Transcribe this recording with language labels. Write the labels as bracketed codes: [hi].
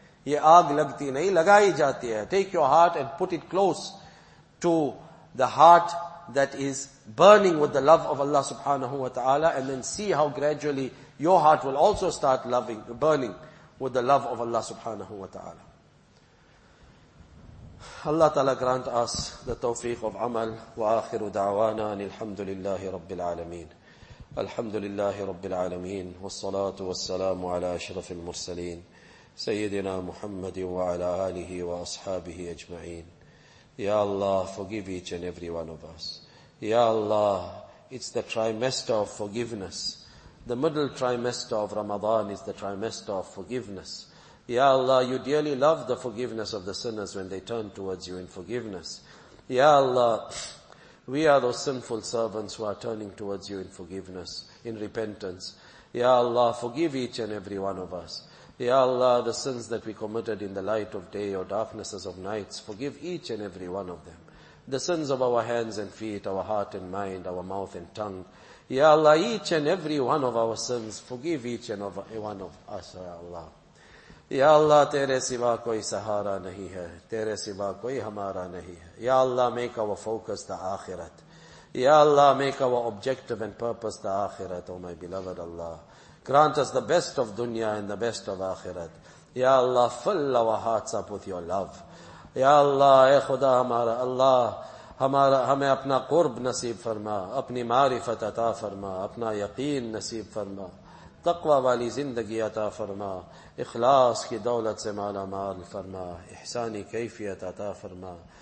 [ur] یہ آگ لگتی نہیں لگائی جاتی ہے. [en] Take your heart and put it close to the heart that is burning with the love of Allah subhanahu wa ta'ala, and then see how gradually your heart will also start loving, burning with the love of Allah subhanahu wa ta'ala. Allah ta'ala grant us the tawfiq of amal. [ar] Wa akhiru da'wana alhamdulillahi rabbil alameen. Alhamdulillahi rabbil alameen. Wa salatu wa salamu ala ashrafil mursaleen. سيدنا محمد وعلى آله وأصحابه أجمعين. [en] يا الله, forgive each and every one of us. يا الله, it's the trimester of forgiveness. The middle trimester of Ramadan is the trimester of forgiveness. يا الله, you dearly love the forgiveness of the sinners when they turn towards you in forgiveness. يا الله, we are those sinful servants who are turning towards you in forgiveness, in repentance. يا الله, forgive each and every one of us. Ya Allah, the sins that we committed in the light of day or darknesses of nights, forgive each and every one of them. The sins of our hands and feet, our heart and mind, our mouth and tongue. Ya Allah, each and every one of our sins, forgive each and every one of us, Ya Allah. [ur] یا اللہ تیرے سوا کوئی سہارا نہیں ہے، تیرے سوا کوئی ہمارا نہیں ہے. [en] یا Allah make our focus the آخرت، یا Allah make our objective and purpose the آخرت. O my beloved Allah, grant us the best of دنیا and the best of آخرت. یا Allah fill our hearts up with your love. [ur] یا اللہ اے خدا ہمارا، اللہ ہمارا، ہمیں اپنا قرب نصیب فرما، اپنی معرفت عطا فرما، اپنا یقین نصیب فرما، تقوی والی زندگی عطا فرما، اخلاص کی دولت سے مالا مال فرما، احسانی کیفیت عطا فرما.